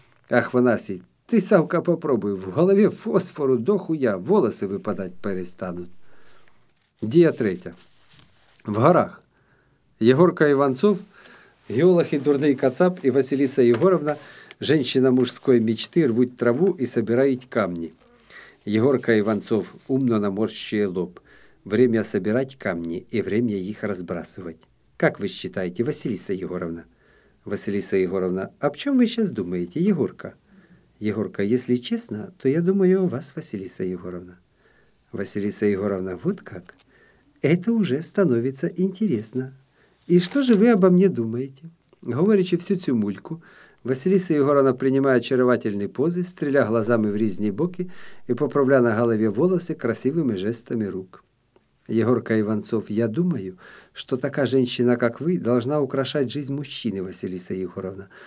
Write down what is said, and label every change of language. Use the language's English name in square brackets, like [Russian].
[Ukrainian] Ахванасій, ти, Савка, попробуй, в голові фосфору дохуя, волоси випадать перестануть. Дія третя. В горах. Єгорка Іванцов, геолог і дурний кацап, і Василіса Єгорівна, женщина мужської мечти, рвуть траву і собирають камні. Єгорка Іванцов умно наморщує лоб. [Russian] Время собирать камни и время их разбрасывать. Как вы считаете, Василиса Егоровна? Василиса Егоровна, об чем вы сейчас думаете, Егорка? Егорка, если честно, то я думаю о вас, Василиса Егоровна. Василиса Егоровна, вот как? Это уже становится интересно. И что же вы обо мне думаете? [Ukrainian] Говорячи всю цю мульку, Василіса Ігорівна приймає чарівні пози, стріляє глазами в різні боки і поправляє на голові волоси красивими жестами рук. Єгорка Іванцов, я думаю, що така жінка, як ви, повинна украшати життя мужчини, Василіса Ігорівна.